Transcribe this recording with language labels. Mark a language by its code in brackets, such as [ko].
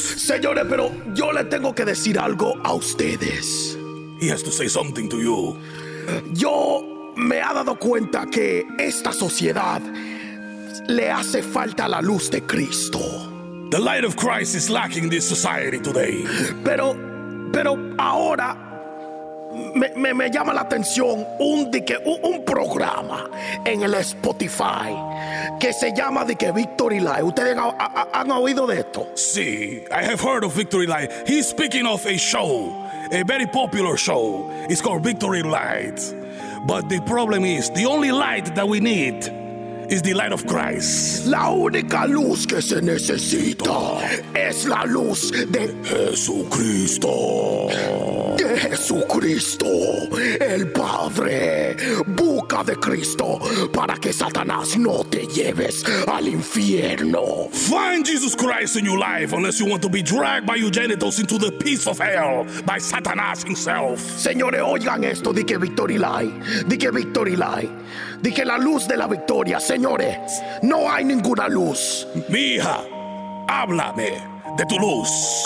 [es] Señores, pero yo le tengo que decir algo a ustedes. [en] He has to say something to you. [es] Yo me he dado cuenta que esta sociedad le hace falta la luz de Cristo. [en] The light of Christ is lacking this society today. [es] Pero ahora me llama la atención un programa en el Spotify que se llama de que Victory Life. ¿Ustedes han oído de esto? [en] Sí, I have heard of Victory Life. He's speaking of a show, a very popular show. It's called Victory Light. But the problem is, the only light that we need is the light of Christ. [es] La única luz que se necesita es la luz de Jesucristo. De Jesucristo, el Padre. Busca de Cristo para que Satanás no te lleves al infierno. [en] Find Jesus Christ in your life unless you want to be dragged by your genitals into the pits of hell by Satanás himself. [es] Señores, oigan esto. Di que la luz de la victoria. Señores, no hay ninguna luz. Mija, háblame de tu luz.